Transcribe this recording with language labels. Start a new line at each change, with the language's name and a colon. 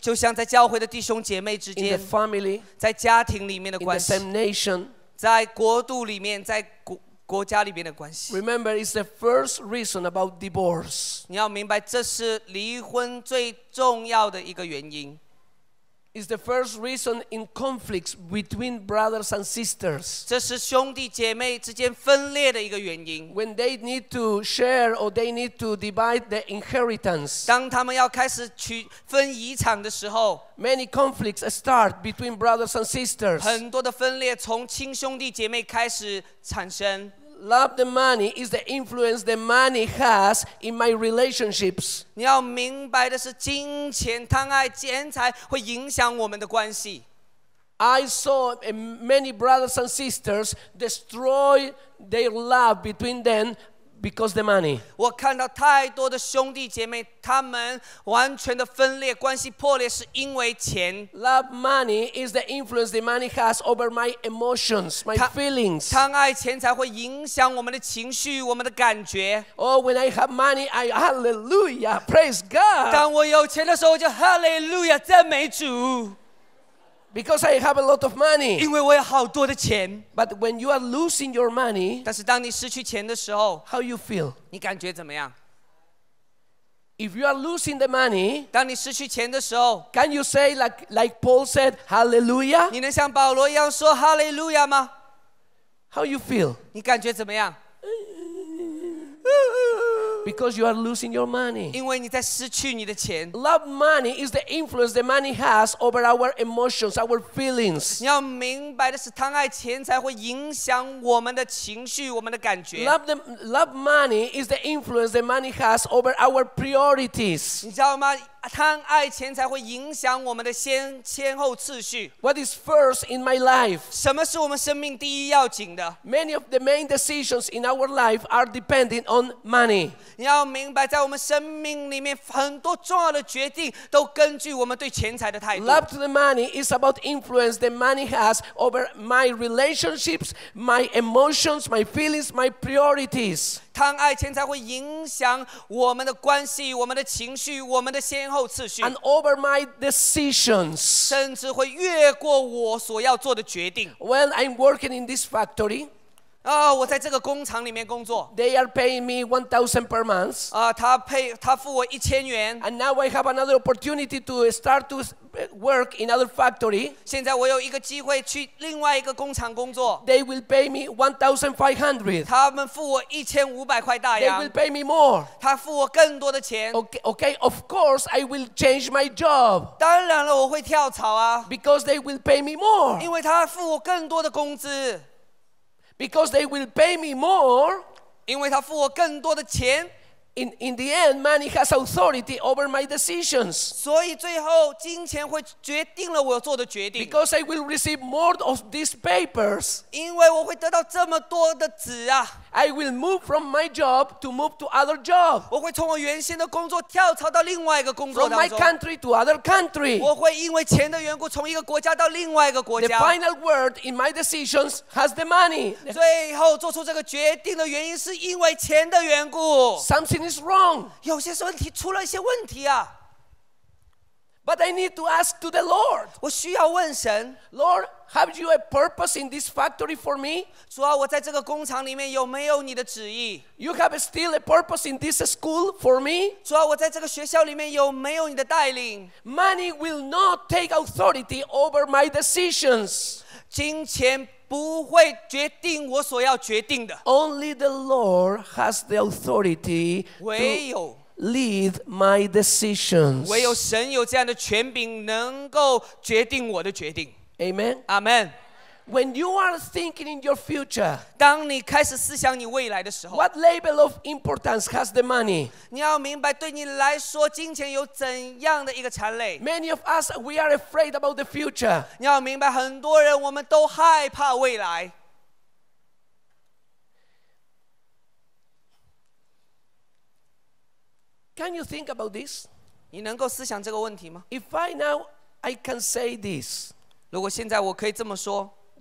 Chinese: 就像在教会的弟兄姐妹之间
English: in the family
Chinese: 在家庭里面的关系
English: in the same nation
Chinese: 在国度里面在 国家里面的关系
English: remember it's the first reason about divorce
Chinese: 你要明白这是离婚最重要的一个原因
English: Is the first reason in conflicts between brothers and sisters.
Chinese: 这是兄弟姐妹之间分裂的一个原因。
English: When they need to share or they need to divide the inheritance.
Chinese: 当他们要开始去分遗产的时候。
English: Many conflicts start between brothers and sisters.
Chinese: 很多的分裂从亲兄弟姐妹开始产生。
English: Love the money is the influence the money has in my relationships.
Chinese: 你要明白的是金钱贪爱钱财会影响我们的关系。
English: I saw many brothers and sisters destroy their love between them because the money.
Chinese: 我看到太多的兄弟姐妹，他们完全的分裂，关系破裂，是因为钱。
English: Love money is the influence the money has over my emotions, my feelings.
Chinese: 贪爱钱才会影响我们的情绪，我们的感觉。
English: Oh, when I have money, I hallelujah, praise God.
Chinese: 当我有钱的时候，就 hallelujah, 赞美主。
English: Because I have a lot of money.
Chinese: 因为我有好多的钱。
English: But when you are losing your money,
Chinese: 但是当你失去钱的时候，
English: how you feel?
Chinese: 你感觉怎么样？
English: If you are losing the money,
Chinese: 当你失去钱的时候，
English: can you say like Paul said, hallelujah?
Chinese: 你能像保罗一样说 hallelujah 吗？
English: How you feel?
Chinese: 你感觉怎么样？
English: Because you are losing your money.
Chinese: 因为你在失去你的钱。
English: Love money is the influence the money has over our emotions, our feelings.
Chinese: 你要明白的是，贪爱钱才会影响我们的情绪，我们的感觉。
English: Love money is the influence the money has over our priorities.
Chinese: 你知道吗？贪爱钱才会影响我们的先后次序。
English: What is first in my life?
Chinese: 什么是我们生命第一要紧的？
English: Many of the main decisions in our life are depending on money.
Chinese: 你要明白，在我们生命里面，很多重要的决定都根据我们对钱财的态度。
English: Love to the money is about influence the money has over my relationships, my emotions, my feelings, my priorities.
Chinese: 贪爱钱才会影响我们的关系，我们的情绪，我们的先后次序。
English: And over my decisions，
Chinese: 甚至会越过我所要做的决定。
English: When I'm working in this factory，
Chinese: 我在这个工厂里面工作。
English: They are paying me 1,000 per month。
Chinese: 他付我1,000元。
English: And now I have another opportunity to start to work in another factory。
Chinese: 现在我有一个机会去另外一个工厂工作。
English: They will pay me 1,500.
Chinese: 他们付我1,500块大洋。
English: They will pay me more.
Chinese: 他付我更多的钱。
English: Okay, of course I will change my job.
Chinese: 当然了，我会跳槽啊。
English: Because they will pay me more.
Chinese: 因为他付我更多的工资。
English: Because they will pay me more.
Chinese: 因为他付我更多的钱。
English: In the end, money has authority over my decisions.
Chinese: 所以最后金钱会决定了我做的决定。
English: Because I will receive more of these papers.
Chinese: 因为我会得到这么多的纸啊。
English: I will move from my job to move to other job.
Chinese: 我会从我原先的工作跳槽到另外一个工作当
English: 中。From my country to other country.
Chinese: 我会因为钱的缘故从一个国家到另外一个国家。
English: The final word in my decisions has the money.
Chinese: 最后做出这个决定的原因是因为钱的缘故。
English: Something is wrong.
Chinese: 有些问题出了一些问题啊。
English: But I need to ask to the Lord.
Chinese: 我需要问神。
English: Lord, have you a purpose in this factory for me?
Chinese: 主啊，我在这个工厂里面有没有你的旨意？
English: You have still a purpose in this school for me?
Chinese: 主啊，我在这个学校里面有没有你的带领？
English: Money will not take authority over my decisions.
Chinese: 金钱不会决定我所要决定的。
English: Only the Lord has the authority to lead my decisions.
Chinese: 唯有神有这样的权柄能够决定我的决定。
English: Amen. Amen. When you are thinking in your future,
Chinese: 当你开始思想你未来的时候，
English: what level of importance has the money?
Chinese: 你要明白对你来说金钱有怎样的一个产类。
English: Many of us, we are afraid about the future.
Chinese: 你要明白很多人我们都害怕未来。
English: Can you think about this?
Chinese: 你能够思想这个问题吗？
English: If I now I can say this,
Chinese: 如果现在我可以这么说，